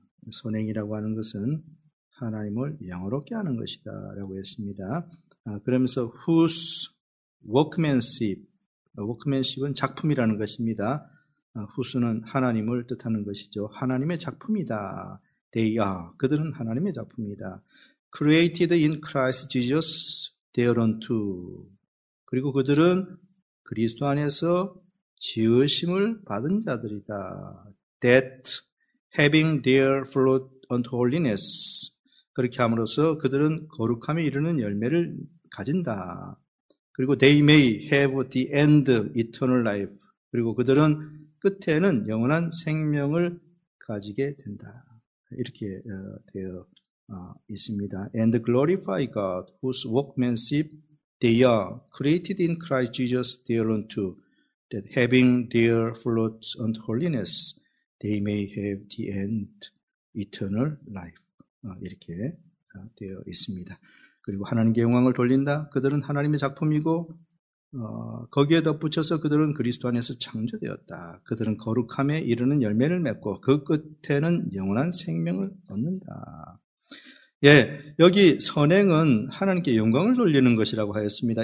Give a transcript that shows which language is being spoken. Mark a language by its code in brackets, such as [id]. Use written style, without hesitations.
[ko] 선행이라고 하는 것은 하나님을 영화롭게 하는 것이다 라고 했습니다. 그러면서 [en] whose workmanship, [ko] workmanship은 작품이라는 것입니다. whose는 하나님을 뜻하는 것이죠. 하나님의 작품이다. [en] They are. [ko] 그들은 하나님의 작품이다. [en] Created in Christ Jesus thereunto. [ko] 그리고 그들은 그리스도 안에서 지으심을 받은 자들이다. [en] That having their fruit unto holiness. [ko] 그렇게 함으로써 그들은 거룩함에 이르는 열매를 가진다. 그리고 [en] they may have the end eternal life. [ko] 그리고 그들은 끝에는 영원한 생명을 가지게 된다. 이렇게 되어 있습니다. [en] And glorify God whose workmanship they are created in Christ Jesus thereunto, that having their fruits and holiness, they may have the end eternal life. [ko] 이렇게 되어 있습니다. 그리고 하나님께 영광을 돌린다. 그들은 하나님의 작품이고 거기에 덧붙여서 그들은 그리스도 안에서 창조되었다. 그들은 거룩함에 이르는 열매를 맺고 그 끝에는 영원한 생명을 얻는다. 예, 여기 선행은 하나님께 영광을 돌리는 것이라고 하였습니다.